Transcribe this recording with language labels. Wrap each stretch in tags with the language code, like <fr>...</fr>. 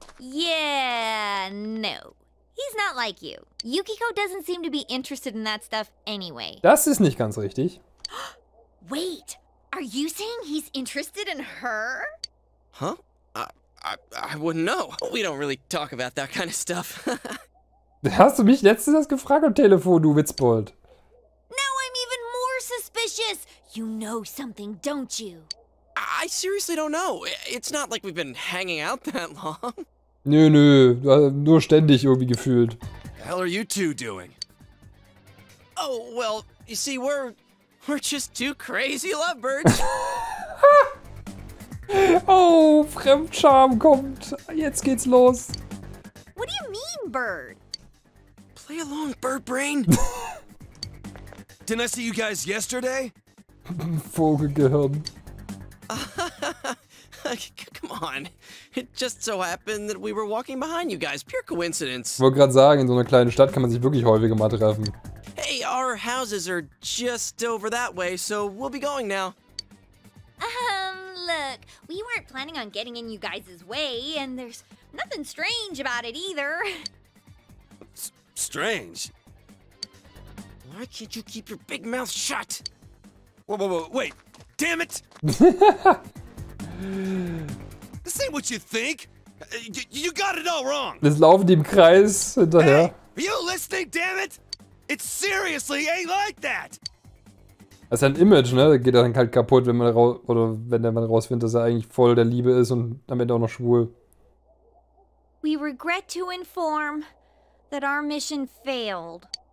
<en>Yeah, no. He's not like you. Yukiko doesn't seem to be interested in that stuff anyway.</en> <de>Das ist nicht ganz richtig.</de> <en>Wait! Are you saying he's interested in her? Huh? I wouldn't know. We don't really talk about that kind of stuff.</en> <de>Hast du mich letztens das gefragt am Telefon, du Witzbold?</de> <en>Now I'm even more suspicious. You know something, don't you? I seriously don't know. It's not like we've been hanging out that long.</en> <de>Nö, nur ständig irgendwie gefühlt.</de> <en>The hell are you two doing? Oh, well, you see, we're just two crazy lovebirds.</en> <de>Oh, Fremdscham kommt. Jetzt geht's los.</de> <en>What do you mean, bird? Play along, bird brain. Didn't I see you guys yesterday?</en> <de>Vogelgehirn.</de> <en>Come on. It just so happened that we were walking behind you guys. Pure coincidence.</en> <de>Wollte gerade sagen, in so einer kleinen Stadt kann man sich wirklich häufiger mal treffen.</de> <en>Hey, our houses are just over that way, so we'll be going now. Look, we weren't planning on getting in you guys' way, and there's nothing strange about it either. Strange? Why can't you keep your big mouth shut? Whoa, wait. Damn it! This ain't what you think. You got it all wrong.</en> <de>Das laufen die im Kreis hinterher.</de> <en>Hey, are you listening, damn it? It seriously ain't like that.</en> <de>Das ist ein Image, ne? Geht dann halt kaputt, wenn man rausfindet, dass er eigentlich voll der Liebe ist und am Ende auch noch schwul.</de> <en>We regret to inform that our mission failed.</en>